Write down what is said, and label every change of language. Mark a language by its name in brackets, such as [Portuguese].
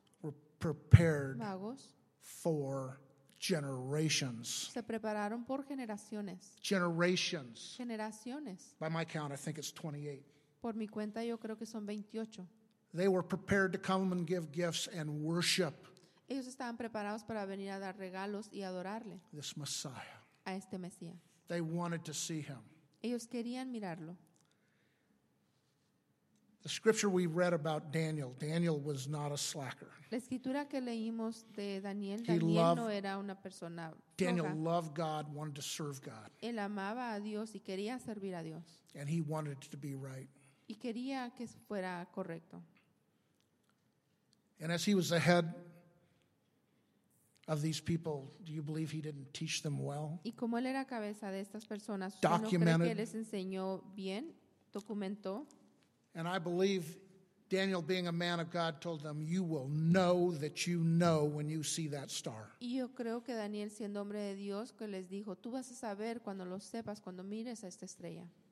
[English] were prepared, [Spanish] magos, [English] for generations. [Spanish] Se prepararon por generaciones. [English] Generations. [Spanish] Generaciones. [English] By my count, I think it's 28. [Spanish] Por mi cuenta, yo creo que son 28. [English] They were prepared to come and give gifts and worship. [Spanish] Ellos estaban preparados para venir a dar regalos y adorarle. [English] This Messiah. [Spanish] A este Mesías. [English] They wanted to see him. [Spanish] Ellos querían mirarlo. [English] The scripture we read about Daniel. Daniel was not a slacker. [Spanish] La escritura que leímos de Daniel. Daniel no era una persona floja. [English] Daniel loved God, wanted to serve God. [Spanish] Él amaba a Dios y quería servir a Dios. [English] And he wanted to be right. [Spanish] Y quería que fuera correcto. [English] And as he was the head of these people, do you believe he didn't teach them well? [Spanish] Y como él era cabeza de estas personas, ¿no cree que les enseñó bien, documentó? [English] And I believe Daniel, being a man of God, told them, "You will know that you know when you see that star." [Spanish] Y yo creo que Daniel, siendo hombre de Dios, que les dijo, "Tú vas a saber cuando lo sepas, cuando mires a esta estrella."